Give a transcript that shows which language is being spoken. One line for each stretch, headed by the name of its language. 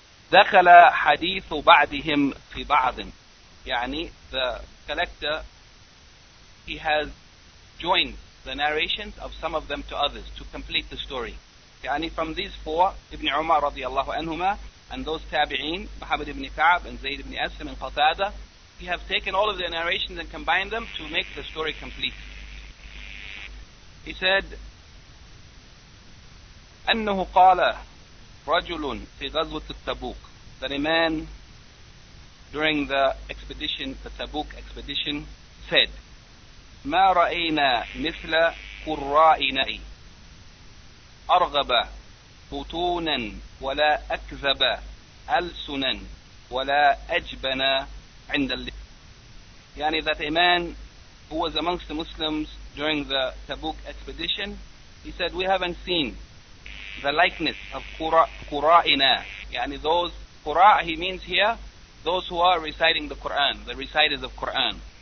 Arabic: Dakhala hadithu ba'dihim fi ba'din.
English: Yani, the collector, he has joined the narrations of some of them to others to complete the story. Yani from these four, Ibn Umar radiallahu anhuma, and those Tabi'een, Muhammad ibn Ka'ab and Zayd ibn Aslam and Qatada, he have taken all of their narrations and combined them to make the story complete. He said,
Arabic: أنه قال رجل في غزوة التبوك,
English: that a man during the expedition, the Tabuk expedition, said,
Arabic: ما رأينا مثل قرائنائي أرغب بطونا ولا أكذب ألسنا ولا أجبنا عند اللقاء.
English: يعني that a man who was amongst the Muslims during the Tabuk expedition, he said, we haven't seen the likeness of Qura'ina. يعني those Qura'a, he means here, those who are reciting the Qur'an, the reciters of Qur'an.